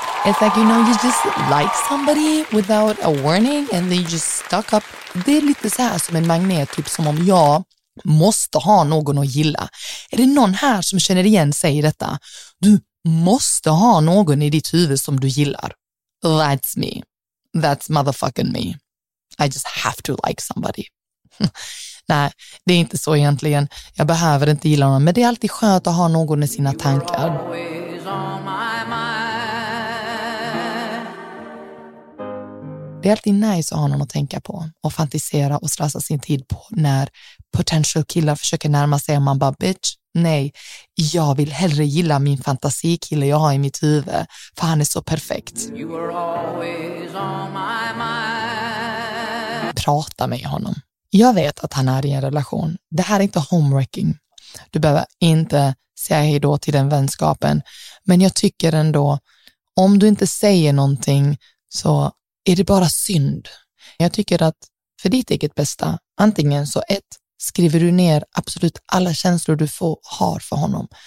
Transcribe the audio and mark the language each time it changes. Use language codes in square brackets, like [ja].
[en] It's like, you know, you just like somebody without a warning and then you just stuck up. [sv] Det är lite så här som en magnet, typ som om jag måste ha någon att gilla. Är det någon här som känner igen sig i detta? Du måste ha någon i ditt huvud som du gillar. [en] That's me. That's motherfucking me. I just have to like somebody. [sv] Nej, det är inte så egentligen. Jag behöver inte gilla någon, men det är alltid skönt att ha någon i sina tankar. Det är alltid nice att ha någon att tänka på och fantisera och slösa sin tid på när potential killar försöker närma sig och man bara, bitch, nej, jag vill hellre gilla min fantasikille jag har i mitt huvud, för han är så perfekt. [en] You were always on my mind. [sv] Prata med honom. Jag vet att han är i en relation. Det här är inte homewrecking. Du behöver inte säga hej då till den vänskapen. Men jag tycker ändå, om du inte säger någonting så är det bara synd? Jag tycker att för ditt eget bästa, antingen så ett, skriver du ner absolut alla känslor du har för honom.